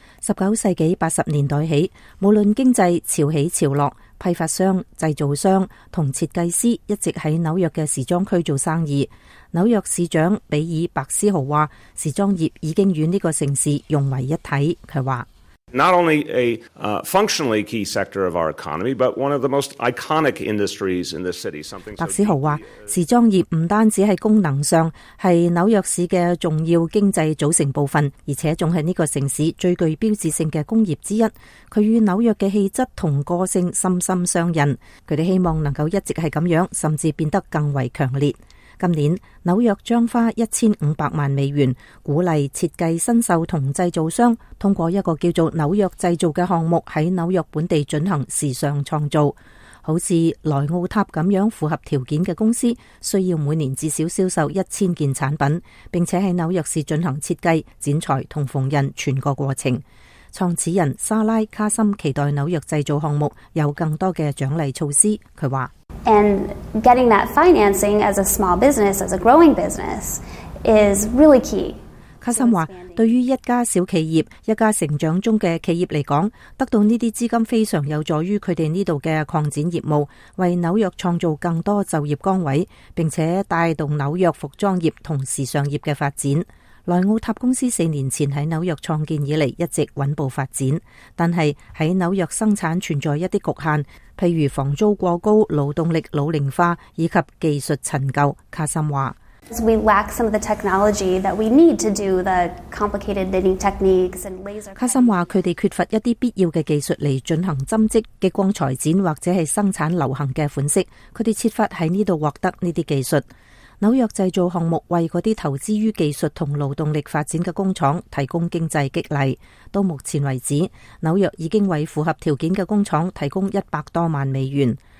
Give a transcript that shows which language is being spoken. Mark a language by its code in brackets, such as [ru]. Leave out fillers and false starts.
[zh] 19世纪80年代起，无论经济潮起潮落，批发商、制造商和设计师一直在纽约的时装区做生意。纽约市长比尔·白思豪说，时装业已经与这个城市融为一体。他说 [en] Not only a functionally key sector of our economy, but one of the most iconic industries in this city. [zh] 白思豪说，时装业不单只是功能上是纽约市的重要经济组成部分，而且还是这个城市最具标志性的工业之一。它与纽约的气质和个性深深相印，他们希望能够一直是这样，甚至变得更为强烈。今年纽约将花1500万美元鼓励设计新秀和制造商通过一个叫做纽约制造的项目在纽约本地进行时尚创造。好似莱奥塔这样符合条件的公司需要每年至少销售1000件产品，并且在纽约市进行设计、剪裁和缝纫全个过程。创始人莎拉·卡森期待纽约制造项目有更多的奖励措施。他说 [en] And getting that financing as a small business, as a growing business, is really key. [zh] 卡森说，对于一家小企业、一家成长中的企业来讲，得到这些资金非常有助于他们这里的扩展业务，为纽约创造更多就业岗位，并且带动纽约服装业和时尚业的发展。莱奥塔公司4年前在纽约创建以来一直稳步发展，但是在纽约生产存在一些局限，譬如房租过高、劳动力老龄化以及技术陈旧。卡森说 [en] We lack some of the technology that we need to do the complicated knitting techniques and laser. [zh] 卡森说他们缺乏一些必要的技术来进行针织、激光裁剪或者是生产流行的款式，他们设法在这里获得这些技术。纽约制造项目为那些投资于技术和劳动力发展的工厂提供经济激励。到目前为止，纽约已经为符合条件的工厂提供100多万美元。